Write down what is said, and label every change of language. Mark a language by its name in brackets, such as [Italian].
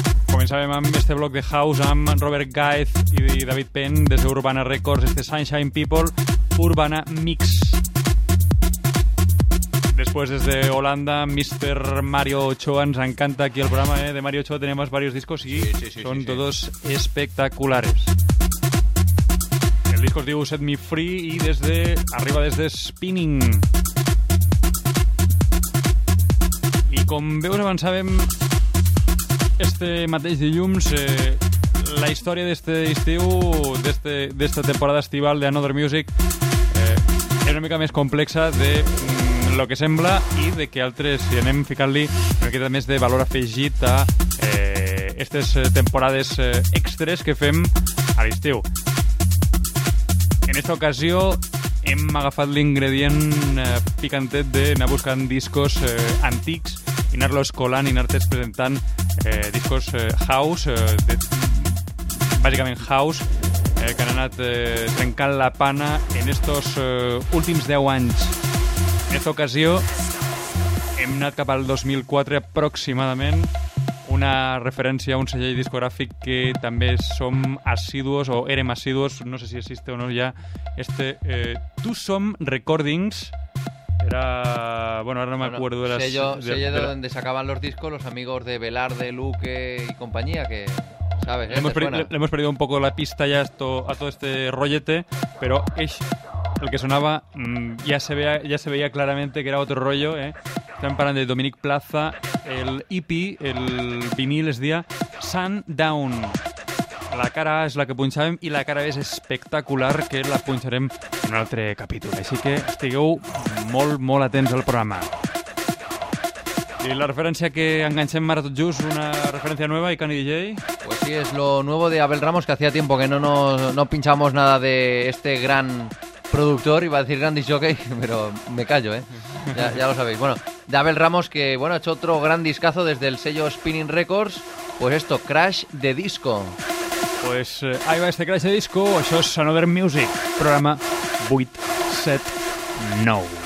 [Catalan] Començàvem amb este bloc de House amb Robert Gaeth i David Penn des d'Urbana Records, este Sunshine People Urbana Mix. [Spanish] Después desde Holanda, Mr. Mario Ochoa, nos encanta aquí el programa, ¿eh? De Mario Ochoa tenemos varios discos y sí, son todos espectaculares. El disco [Catalan] es diu [Spanish] Set Me Free y desde arriba desde Spinning. [Catalan] Y con veus avançàvem este mateix dilluns, la història d'este estiu, d'esta temporada estival de Another Music, és una mica més complexa de lo que sembla i de que altres, si anem ficant-li una mica més de valor afegit a aquestes temporades extres que fem a l'estiu. En esta ocasió hem agafat l'ingredient picantet d'anar buscant discos antics i anar-los colant i anar-te presentant discos house, bàsicament house, que han anat trencant la pana en estos últims 10 anys. En aquesta ocasió hem anat cap al 2004 aproximadament, una referència a un segell discogràfic que també som assiduos o érem assiduos, no sé si existe o no ja, este Tusom Recordings. [Spanish] Era, bueno, ahora no me acuerdo de las... Sello de donde sacaban los discos los amigos de Velarde, Luque y compañía, que, ¿sabes? Le hemos perdido un poco la pista ya a todo este rollete, pero el que sonaba ya se veía claramente que era otro rollo, ¿eh? Están parando de Dominique Plaza, el EP, el vinil, es día Sundown. [Catalan] La cara A [Spanish] es la que [Catalan] punxàvem i la cara B és espectacular, que la punxarem en un altre capítol. Així que estigueu molt, molt atents al programa. I la referència que enganxem ara tot just, una referència nueva, i Cani DJ? [Spanish] Pues sí, es lo nuevo de Abel Ramos, que hacía tiempo que no pinchamos nada de este gran productor, iba a decir gran disc jockey, pero me callo, ¿eh? Ya lo sabéis. Bueno, de Abel Ramos, que bueno, ha hecho otro gran discazo desde el sello Spinning Records, pues esto, Crash de Disco. Pues ahí va este crash de disco, [Catalan] això és [Spanish] Another Music, programa 879.